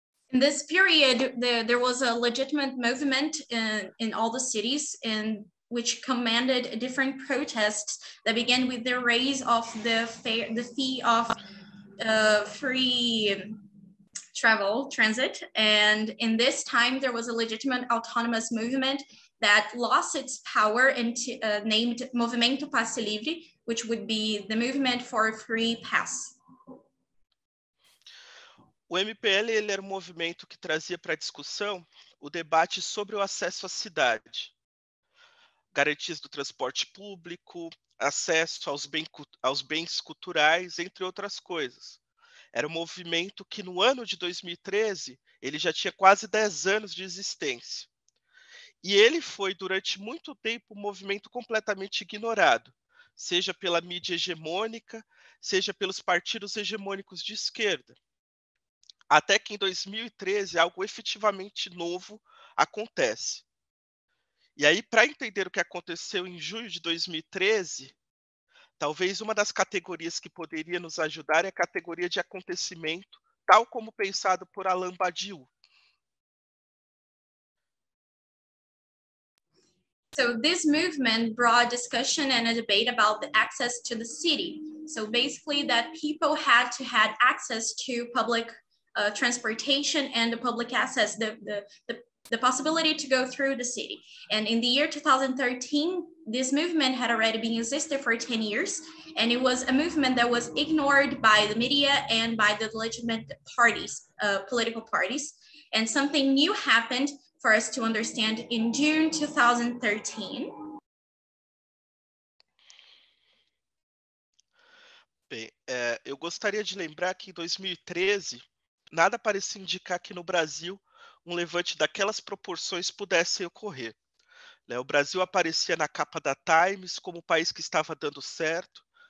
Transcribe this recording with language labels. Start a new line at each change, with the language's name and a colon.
English: In this period, there was a legitimate movement in all the cities, and which commanded a different protests that began with the raise of the fee of free travel, transit. And in this time, there was a legitimate autonomous movement that lost its power and named Movimento Passe Livre, which would be the movement for a free pass.
Portuguese: O MPL, ele era um movimento que trazia para a discussão o debate sobre o acesso à cidade, garantias do transporte público, acesso aos bens culturais, entre outras coisas. Era um movimento que, no ano de 2013, ele já tinha quase 10 anos de existência. E ele foi, durante muito tempo, um movimento completamente ignorado, seja pela mídia hegemônica, seja pelos partidos hegemônicos de esquerda. Até que, em 2013, algo efetivamente novo acontece. E aí, para entender o que aconteceu em junho de 2013, talvez uma das categorias que poderia nos ajudar é a categoria de acontecimento, tal como pensado por Alain Badiou.
English: So this movement brought discussion and a debate about the access to the city. So basically that people had to have access to public transportation and the public access, the possibility to go through the city. And in the year 2013, this movement had already been existed for 10 years. And it was a movement that was ignored by the media and by the legitimate parties, political parties. And something new happened for us to understand in June 2013.
Portuguese: Bem, eu gostaria de lembrar que em 2013, nada parecia indicar que no Brasil um levante daquelas proporções pudesse ocorrer. O Brasil aparecia na capa da Times como o país que estava dando certo.